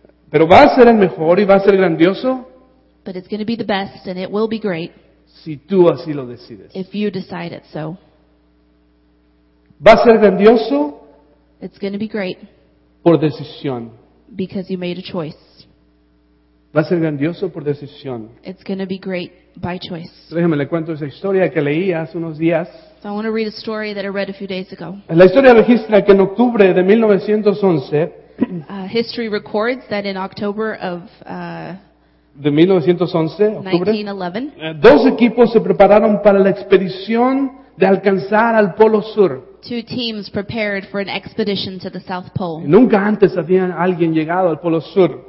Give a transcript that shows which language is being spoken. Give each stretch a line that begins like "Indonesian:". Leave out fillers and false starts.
Spanish: Pero va a ser el mejor y va a ser grandioso.
English: But it's going to be the best and it will be great.
Spanish: Si tú así lo decides.
English: If you decide it so.
Spanish: Va a ser grandioso.
English: It's going to be great.
Spanish: Por decisión.
English: Because you made a choice.
Spanish: Va a ser grandioso por decisión.
English: It's going to be great. By choice.
Spanish: Déjame le cuento esa historia que leí hace unos días.
English: So I want to read a story that I read a few days ago.
Spanish: La historia registra que en octubre de 1911.
English: History records that in October of.
Spanish: De 1911, octubre.
English: 1911.
Spanish: Dos equipos se prepararon para la expedición de alcanzar al Polo Sur.
English: Two teams prepared for an expedition to the South Pole.
Spanish: Nunca antes había alguien llegado al Polo Sur.